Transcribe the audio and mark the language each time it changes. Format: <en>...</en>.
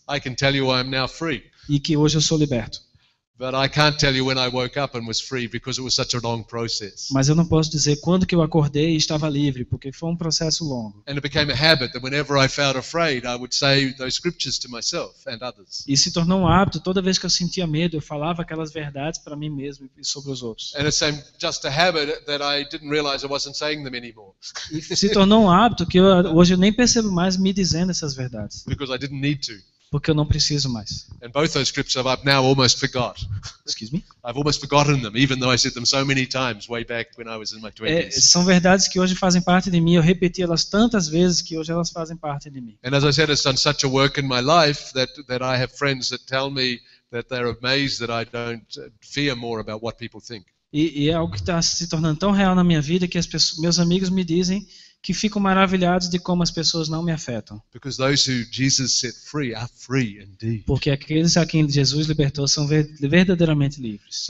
<en>I can tell you I am now free.</en> <pt>E que hoje eu sou liberto.</pt> <en>But I can't tell you when I woke up and was free because it was such a long process.</en> <pt>Mas eu não posso dizer quando que eu acordei e estava livre, porque foi um processo longo.</pt> <en>And it became a habit that whenever I felt afraid, I would say those scriptures to myself and others.</en> <pt>E se tornou um hábito, toda vez que eu sentia medo, eu falava aquelas verdades para mim mesmo e sobre os outros.</pt> <en>And it became just a habit that I didn't realize I wasn't saying them anymore.</en> <pt>E se tornou um hábito que hoje eu nem percebo mais me dizendo essas verdades.</pt> <en>Because I didn't need to.</en> <pt>Porque eu não preciso mais.</pt> <en>And both those scriptures I've now almost forgot. Excuse me? I've almost forgotten them, even though I said them so many times way back when I was in my 20s.</en> <pt>São verdades que hoje fazem parte de mim. Eu repeti elas tantas vezes que hoje elas fazem parte de mim.</pt> <en>And as I said, it's done such a work in my life that I have friends that tell me that they're amazed that I don't fear more about what people think.</en> <pt>E é algo que está se tornando tão real na minha vida que meus amigos me dizem que ficam maravilhados de como as pessoas não me afetam.</pt> <en>Because those who Jesus set free are free indeed.</en> <pt>Porque aqueles a quem Jesus libertou são verdadeiramente livres.</pt>